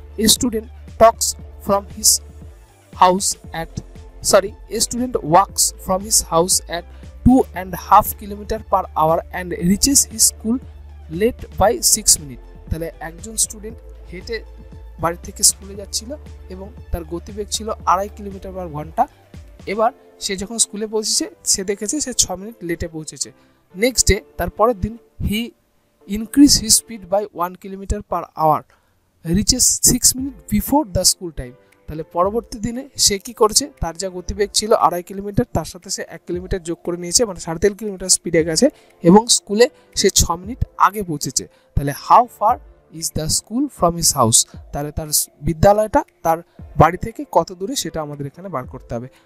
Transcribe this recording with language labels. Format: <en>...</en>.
<en>A student talks from his house at sorry a student walks from his house at 2.5 kilometre per hour and reaches his school late by 6 minute.</en> <bn>তাহলে একজন student হেঁটে বাড়ি থেকে স্কুলে যাচ্ছিল এবং তার গতিবেগ ছিল 2.5 কিলোমিটার পার ঘন্টা, এবার সে যখন স্কুলে পৌঁছেছে সে দেখেছে সে 6 মিনিট লেটে পৌঁছেছে। নেক্সট ডে তার পরের দিন</bn> <en>he increases his speed by 1 km per hour, reaches 6 minutes before the school time.</en> <bn>তাহলে পরবর্তী দিনে সে কি করছে, তার যা গতিবেগ ছিল 2.5 কিলোমিটার, তার সাথে সে 1 কিলোমিটার যোগ করে নিয়েছে, মানে 3.5 কিলোমিটার স্পিডে গেছে এবং স্কুলে সে 6 মিনিট আগে পৌঁছেছে। তাহলে</bn> <en>how far is the school from his house,</en> <bn>তাহলে তার বিদ্যালয়টা তার বাড়ি থেকে কত দূরে সেটা আমাদের এখানে বার করতে হবে।</bn>